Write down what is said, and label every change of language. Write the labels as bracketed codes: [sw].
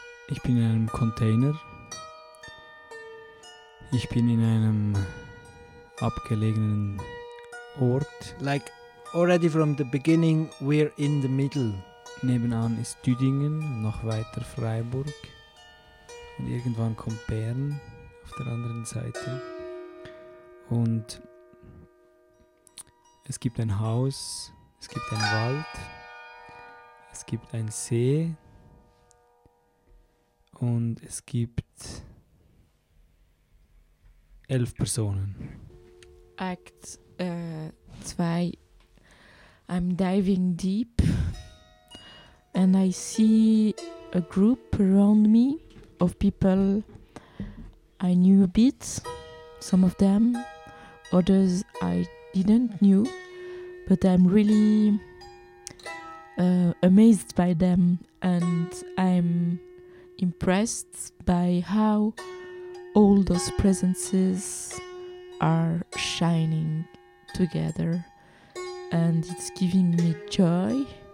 [de] Ich bin in einem Container. Ich bin in einem abgelegenen Ort. [en] Like already from the beginning, we're in the middle. [de] Nebenan ist Düdingen, noch weiter Freiburg. Und irgendwann kommt Bern auf der anderen Seite. Und es gibt ein Haus, es gibt einen Wald, es gibt einen See und es gibt 11 Personen. [en] Act 2. I'm diving deep and I see a group around me of people I knew a bit, some of them. Others I didn't knew, but I'm really amazed by them, and I'm impressed by how all those presences are shining together, and it's giving me joy,